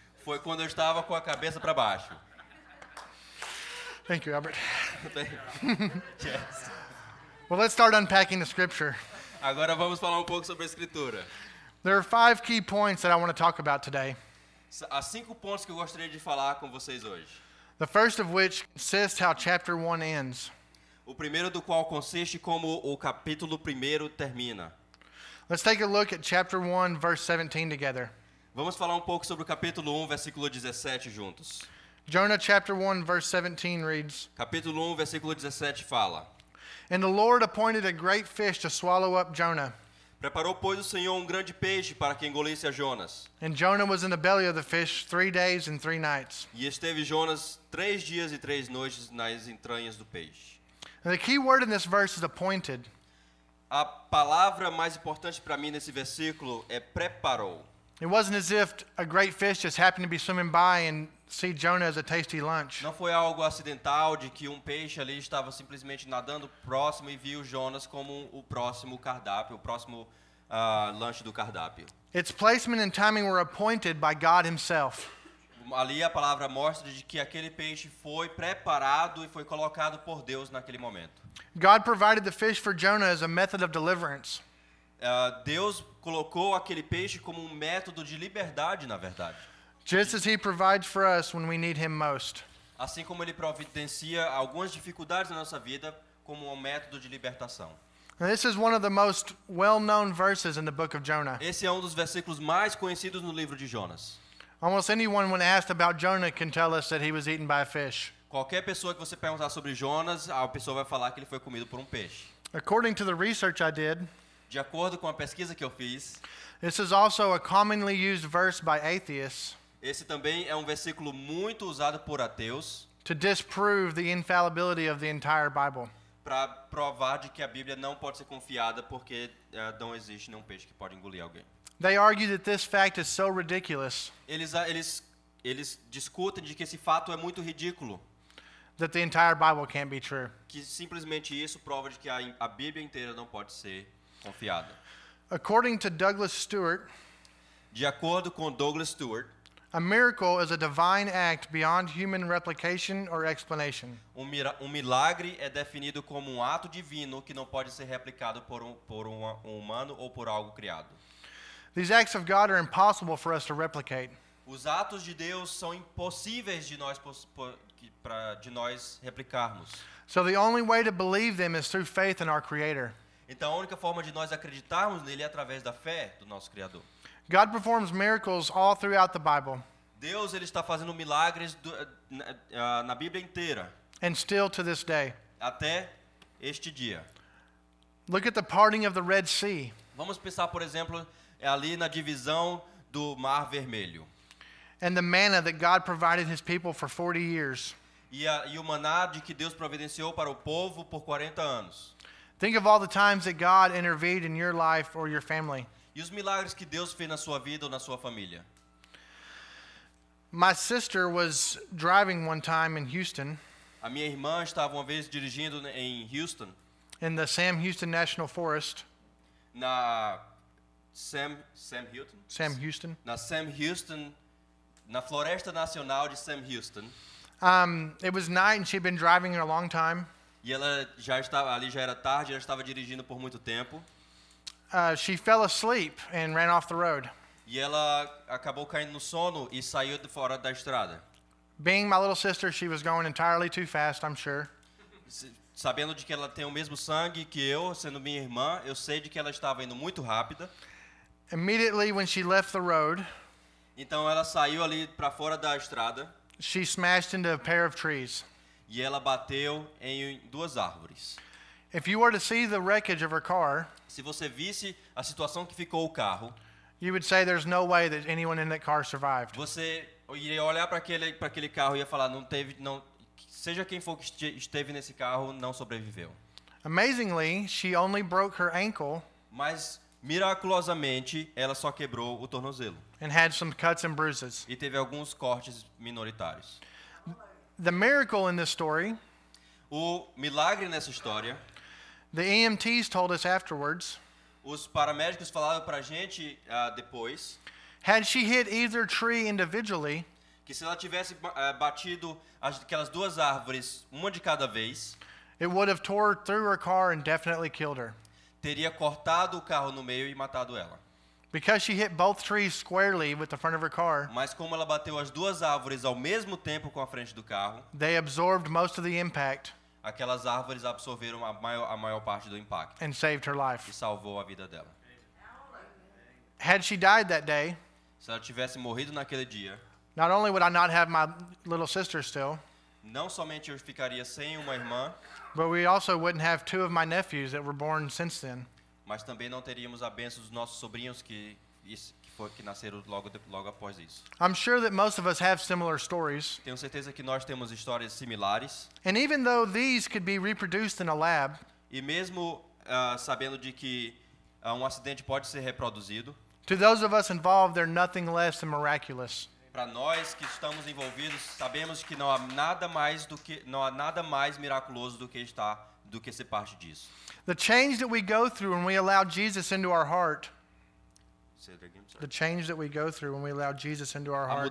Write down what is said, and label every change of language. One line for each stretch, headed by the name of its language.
Portuguese: Foi quando eu estava com a cabeça para baixo.
English: Thank you, Albert. Yes. Well, let's start unpacking the scripture.
Portuguese: Agora vamos falar um pouco sobre a escritura.
English: There are five key points that I want to talk about today.
Portuguese: Há cinco pontos que eu gostaria de falar com vocês hoje.
English: The first of which consists how chapter 1 ends.
Portuguese: O primeiro do qual consiste como o capítulo primeiro termina.
English: Let's take a look at chapter 1, verse 17 together.
Portuguese: Vamos falar um pouco sobre o capítulo 1, versículo 17 juntos.
English: Jonah chapter 1, verse 17 reads.
Portuguese: Capítulo 1, versículo 17 fala.
English: And the Lord appointed a great fish to swallow up Jonah.
Portuguese: Preparou, pois, o Senhor um grande peixe para que engolisse a Jonas.
English: And Jonah was in the belly of the fish 3 days and 3 nights.
Portuguese: E esteve Jonas 3 dias e 3 noites nas entranhas do peixe.
English: And the key word in this verse is appointed.
Portuguese: A palavra mais importante para mim nesse versículo é preparou.
English: It wasn't as if a great fish just happened to be swimming by and see Jonah as a tasty lunch.
Portuguese: Não foi algo acidental de que um peixe ali estava simplesmente nadando próximo e viu Jonas como o próximo cardápio, o próximo lanche do cardápio.
English: Its placement and timing were appointed by God himself.
Portuguese: Ali a palavra mostra de que aquele peixe foi preparado e foi colocado por Deus naquele momento.
English: God provided the fish for Jonah as a method of deliverance.
Portuguese: Deus colocou aquele peixe como um método de liberdade, na verdade.
English: Just as he provides for us when we need him most.
Portuguese: Assim como ele providencia algumas dificuldades na nossa vida como um método de libertação.
English: And this is one of the most well-known verses in the book of Jonah.
Portuguese: Esse é um dos versículos mais conhecidos no livro de Jonas.
English: Almost anyone when asked about Jonah can tell us that he was eaten by a fish.
Portuguese: Qualquer pessoa que você perguntar sobre Jonas, a pessoa vai falar que ele foi comido por um peixe.
English: According to the research I did,
Portuguese: de acordo com a pesquisa que eu fiz,
English: this is also a commonly used verse by atheists.
Portuguese: Esse também é um versículo muito usado por ateus.
English: To disprove the infallibility of the entire Bible.
Portuguese: Para provar de que a Bíblia não pode ser confiada porque não existe nenhum peixe que pode engolir alguém.
English: They argue that this fact is so ridiculous.
Portuguese: Eles discutem de que esse fato é muito ridículo.
English: That the entire Bible can't be true.
Portuguese: Que simplesmente isso prova de que a Bíblia inteira não pode ser confiada.
English: According to Douglas Stewart,
Portuguese: de acordo com Douglas Stewart,
English: a miracle is a divine act beyond human replication or explanation.
Portuguese: Um milagre é definido como um ato divino que não pode ser replicado por um humano ou por algo criado.
English: These acts of God are impossible for us to replicate.
Portuguese: Os atos de Deus são impossíveis de nós replicarmos.
English: So the only way to believe them is through faith in our Creator.
Portuguese: Então a única forma de nós acreditarmos nele é através da fé do nosso Criador.
English: God performs miracles all throughout the Bible.
Portuguese: Deus ele está fazendo milagres na Bíblia inteira.
English: And still to this day.
Portuguese: Até este dia.
English: Look at the parting of the Red Sea.
Portuguese: Vamos pensar, por exemplo, ali na divisão do Mar Vermelho.
English: And the manna that God provided his people for 40 years.
Portuguese: E o maná de que Deus providenciou para o povo por 40 anos.
English: Think of all the times that God intervened in your life or your family.
Portuguese: E os milagres que Deus fez na sua vida ou na sua família.
English: My sister was driving one time in Houston.
Portuguese: A minha irmã estava uma vez dirigindo em Houston.
English: In the Sam Houston National Forest.
Portuguese: Na Sam Houston?
English: Sam Houston.
Portuguese: Na Sam Houston, na Floresta Nacional de Sam Houston.
English: It was night and she'd been driving in a long time.
Portuguese: E ela já estava ali, já era tarde, ela estava dirigindo por muito tempo.
English: She fell asleep and ran off the road.
Portuguese: E ela acabou caindo no sono e saiu de fora da estrada.
English: Being my little sister, she was going entirely too fast, I'm sure.
Portuguese: sabendo de que ela tem o mesmo sangue que eu, sendo minha irmã, eu sei de que ela estava indo muito rápida.
English: Immediately when she left the road,
Portuguese: então ela saiu ali para fora da estrada.
English: She smashed into a pair of trees.
Portuguese: E ela bateu em duas árvores.
English: If you were to see the wreckage of her car,
Portuguese: se você visse a situação que ficou o carro,
English: you would say there's no way that anyone in that car survived.
Portuguese: Você iria olhar para aquele carro e ia falar, seja quem for que esteve nesse carro, não sobreviveu.
English: Amazingly, she only broke her ankle.
Portuguese: Mas miraculosamente, ela só quebrou o tornozelo.
English: And had some cuts and bruises.
Portuguese: E teve alguns cortes minoritários.
English: The miracle in this story.
Portuguese: O milagre nessa história.
English: The EMTs told us afterwards.
Portuguese: Os paramédicos falaram pra gente depois.
English: Had she hit either tree individually,
Portuguese: que se ela tivesse batido aquelas duas árvores, uma de cada vez,
English: it would have tore through her car and definitely killed her.
Portuguese: Teria cortado o carro no meio e matado ela.
English: Because she hit both trees squarely with the front of her car,
Portuguese: mas como ela bateu as duas árvores ao mesmo tempo com a frente do carro,
English: they absorbed most of the impact.
Portuguese: Aquelas árvores absorveram a maior parte do impacto.
English: And saved her life.
Portuguese: E salvou a vida dela.
English: Had she died that day,
Portuguese: se ela tivesse morrido naquele dia,
English: not only would I not have my little sister still,
Portuguese: não somente eu ficaria sem uma irmã,
English: but we also wouldn't have two of my nephews that were born since then.
Portuguese: Mas também não teríamos a bênção dos nossos sobrinhos que nasceram logo após isso.
English: I'm sure that most of us have similar stories.
Portuguese: Tenho certeza que nós temos histórias similares.
English: And even though these could be reproduced in a lab,
Portuguese: e mesmo sabendo de que um acidente pode ser reproduzido,
English: to those of us involved, they're nothing less than miraculous.
Portuguese: Para nós que estamos envolvidos, sabemos que não há nada mais do que não há nada mais miraculoso do que estar do que ser parte disso.
English: The change that we go through when we allow Jesus into our heart. The change that we go through when we allow Jesus into our hearts.